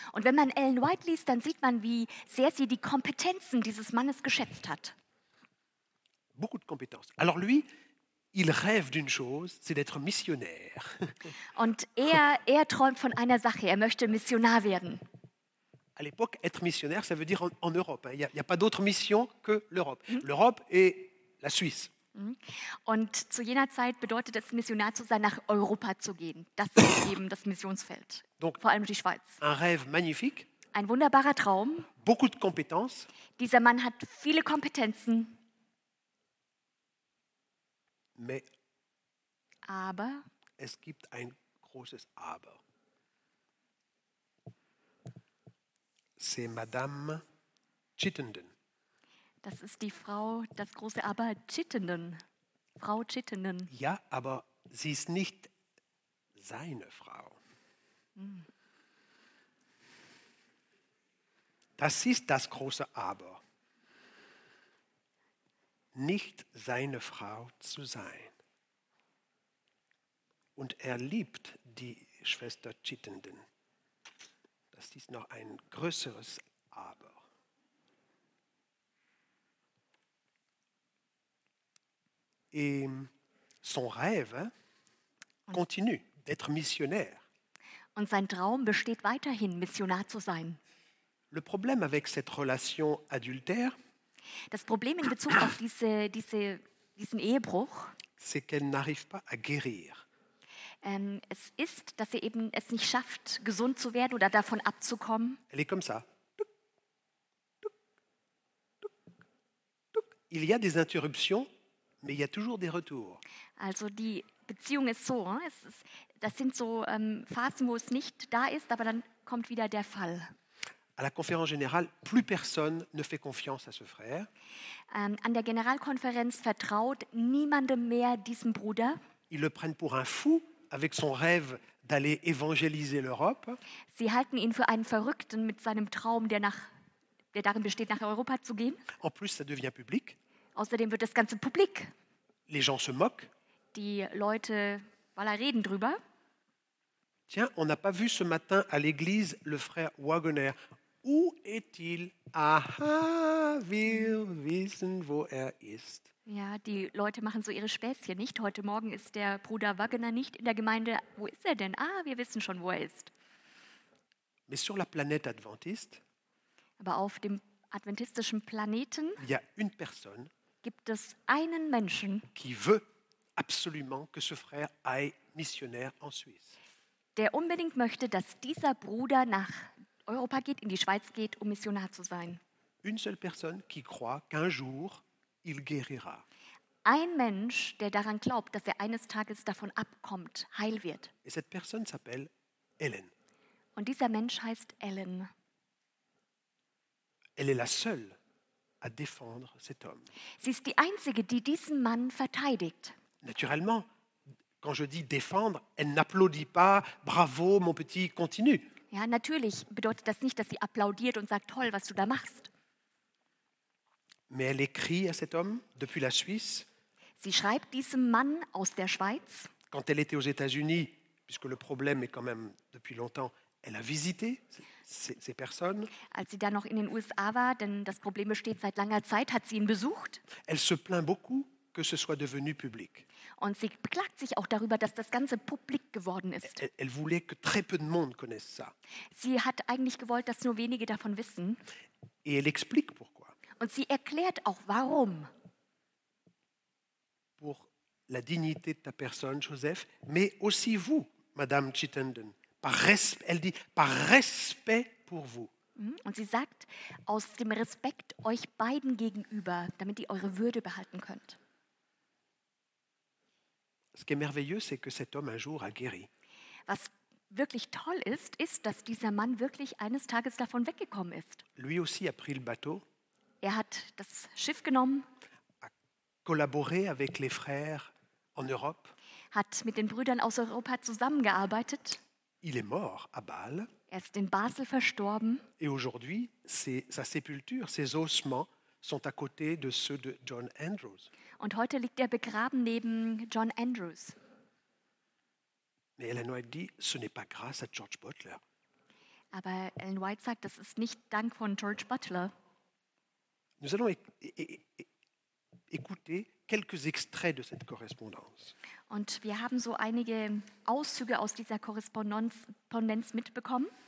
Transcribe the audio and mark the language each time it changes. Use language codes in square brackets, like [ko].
[de] Und wenn man Ellen White liest, dann sieht man, wie sehr sie die Kompetenzen dieses Mannes geschätzt hat. [fr] Beaucoup de compétences. Alors lui, il rêve d'une chose, c'est d'être missionnaire. [de] Und er träumt von einer Sache, er möchte Missionar werden. [fr] À l'époque, être missionnaire, ça veut dire en Europe. Il n'y a pas d'autre mission que l'Europe. Mm-hmm. L'Europe et la Suisse. [de] Und zu jener Zeit bedeutet es, Missionar zu sein, nach Europa zu gehen. Das ist eben das Missionsfeld, [fr] donc, [de] vor allem die Schweiz. [fr] Un rêve magnifique. [de] Ein wunderbarer Traum. [fr] Beaucoup de compétences. [de] Dieser Mann hat viele Kompetenzen. [fr] Mais [de] aber es gibt ein großes Aber. [fr] C'est Madame Chittenden. [de] Das ist die Frau, das große Aber, Chittenden. Frau Chittenden. Ja, aber sie ist nicht seine Frau. Hm. Das ist das große Aber. Nicht seine Frau zu sein. Und er liebt die Schwester Chittenden. Das ist noch ein größeres Aber. [fr] Et son rêve continue d'être missionnaire. [de] Und sein Traum besteht weiterhin, Missionar zu sein. [fr] Le problème avec cette relation adultère, [de] das Problem in Bezug auf diesen Ehebruch, [fr] c'est qu'elle n'arrive pas à guérir. [de] Es ist, dass sie eben es nicht schafft, gesund zu werden oder davon abzukommen. [fr] Elle est comme ça. Il y a des interruptions, mais il y a toujours des retours. [de] Also die Beziehung ist so, hein? Es ist, das sind so Phasen, wo es nicht da ist, aber dann kommt wieder der Fall. [fr] À la conférence générale, plus personne ne fait confiance à ce frère. [de] An der Generalkonferenz vertraut niemandem mehr diesem Bruder. [fr] Ils le prennent pour un fou avec son rêve d'aller évangéliser l'Europe. [de] Sie halten ihn für einen Verrückten mit seinem Traum, der darin besteht, nach Europa zu gehen. [fr] En plus, ça devient public. [de] Außerdem wird das Ganze publik. [fr] Les gens se moquent. [de] Die Leute, voilà, reden drüber. [fr] Tiens, on n'a pas vu ce matin à l'église le frère Wagoner. Où est-il? [de] Aha, wir wissen, wo ist. Ja, die Leute machen so ihre Späßchen, nicht? Heute Morgen ist der Bruder Wagoner nicht in der Gemeinde. Wo ist er denn? Ah, wir wissen schon, wo ist. [fr] Mais sur la planète adventiste, [de] aber auf dem adventistischen Planeten, [fr] il y a une personne, [de] gibt es einen Menschen, [fr] qui veut absolument que ce frère aille missionnaire en Suisse. [de] Der unbedingt möchte, dass dieser Bruder nach Europa geht, in die Schweiz geht, um Missionar zu sein. [fr] Une seule personne qui croit qu'un jour il guérira. [de] Ein Mensch, der daran glaubt, dass er eines Tages davon abkommt, heil wird. [fr] Et cette personne s'appelle Ellen. [de] Und dieser Mensch heißt Ellen. [fr] Elle est la seule à défendre cet homme. [de] Sie ist die einzige, die diesen Mann verteidigt. [fr] Naturellement, quand je dis défendre, elle n'applaudit pas, bravo mon petit, continue. [de] Ja, natürlich bedeutet das nicht, dass sie applaudiert und sagt, toll, was du da machst. [fr] Mais elle écrit à cet homme depuis la Suisse. [de] Sie schreibt diesem Mann aus der Schweiz. [fr] Quand elle était aux États-Unis, puisque le problème est quand même depuis longtemps, elle a visité ces personnes. [de] Als sie da noch in den USA war, denn das Problem besteht seit langer Zeit, hat sie ihn besucht. [fr] Elle se plaint beaucoup que ce soit devenu public. [de] Und sie beklagt sich auch darüber, dass das Ganze publik geworden ist. [fr] Elle voulait que très peu de monde connaisse ça. [de] Sie hat eigentlich gewollt, dass nur wenige davon wissen. [fr] Et elle explique pourquoi. [de] Und sie erklärt auch, warum. [fr] Pour la dignité de ta personne, Joseph, mais aussi vous, Madame Chittenden. Elle dit, par respect pour vous. [de] Und sie sagt, aus dem Respekt euch beiden gegenüber, damit ihr eure Würde behalten könnt. [fr] Ce qui est merveilleux, c'est que cet homme un jour a guéri. [de] Was wirklich toll ist, ist, dass dieser Mann wirklich eines Tages davon weggekommen ist. [fr] Lui aussi a pris le bateau. [de] Er hat das Schiff genommen. [fr] A collaboré avec les frères en Europe. [de] Hat mit den Brüdern aus Europa zusammengearbeitet. [fr] Il est mort à Bâle. [de] Er ist in Basel verstorben. [fr] Et aujourd'hui, sa sépulture, ses ossements sont à côté de ceux de John Andrews. [de] Und heute liegt er begraben neben John Andrews. [fr] Mais Ellen White dit, ce n'est pas grâce à George Butler. [de] Aber Ellen White sagt, das ist nicht dank von George Butler. [fr] Nous allons écouter quelques extraits de cette correspondance. [de] Und wir haben so einige Auszüge aus dieser Korrespondenz mitbekommen.